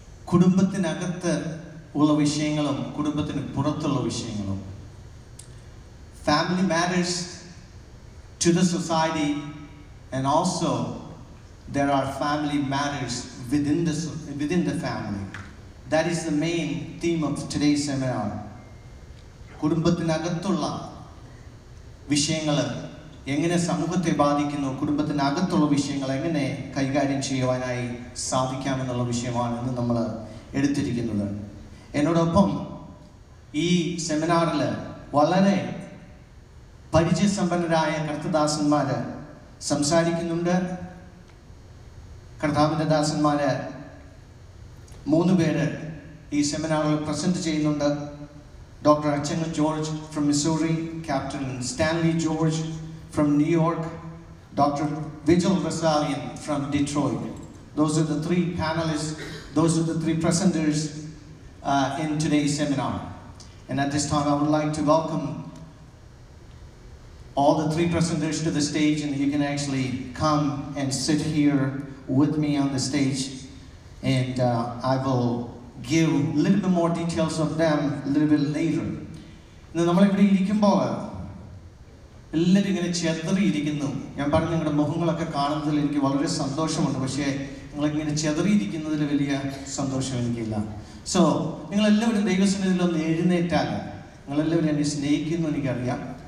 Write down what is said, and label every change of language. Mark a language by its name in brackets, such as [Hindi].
[Malayalam] കുടുംബത്തിനകത്ത് ഉള്ള വിഷയങ്ങളും കുടുംബത്തിന് പുറത്തുള്ള വിഷയങ്ങളും, [English] Family matters to the society and also there are family matters within the family. That is the main theme of today's seminar. [Malayalam] കുടുംബത്തിനകത്തുള്ള വിഷയങ്ങൾ എങ്ങനെ സമൂഹത്തെ ബാധിക്കുന്നു, കുടുംബത്തിനകത്തുള്ള വിഷയങ്ങൾ എങ്ങനെ കൈകാര്യം ചെയ്യുവാനായി സാധിക്കാമെന്നുള്ള വിഷയമാണ് ഇന്ന് നമ്മൾ എടുത്തിരിക്കുന്നത്. എന്നോടൊപ്പം ഈ സെമിനാറിൽ വളരെ പരിചയസമ്പന്നരായ കർത്തദാസന്മാർ സംസാരിക്കുന്നുണ്ട്. കർത്താവിൻ്റെ ദാസന്മാർ 3 പേര് ഈ സെമിനാറിൽ പ്രസന്റ് ചെയ്യുന്നുണ്ട്. Doctor അച്ചങ്ങ George from Missouri, captain Stanley George from New York, doctor വിജൽ റസാലിയൻ from Detroit. [English] Those are the 3 panelist, those are the 3 presenters in today seminar. And at this time I would like to welcome all the 3 presenters to the stage. You can actually come and sit here with me on the stage. And I will give a little bit more details of them a little bit later. [Malayalam] ഇന്ന് നമ്മൾ ഇവിടെ ഇരിക്കുമ്പോൾ എല്ലാവരും ഇങ്ങനെ ചെതറിയിരിക്കുന്നു. ഞാൻ പറഞ്ഞു, നിങ്ങളുടെ മുഖങ്ങളൊക്കെ കാണുന്നതിൽ എനിക്ക് വളരെ സന്തോഷമുണ്ട്. പക്ഷേ നിങ്ങളിങ്ങനെ ചെതറിയിരിക്കുന്നതിൽ വലിയ സന്തോഷം എനിക്കില്ല. സോ നിങ്ങളെല്ലാവരും ദൈവസന്നിധിയിൽ ഒന്ന് എഴുന്നേറ്റാൽ, നിങ്ങളെല്ലാവരും എന്നെ സ്നേഹിക്കുന്നു എനിക്കറിയാം.